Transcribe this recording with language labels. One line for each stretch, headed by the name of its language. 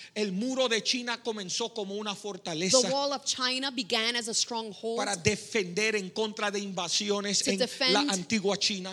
Spanish: El muro de China comenzó como una fortaleza.
English: The wall of China began as a stronghold.
Spanish: Para defender en contra de invasiones en la antigua China.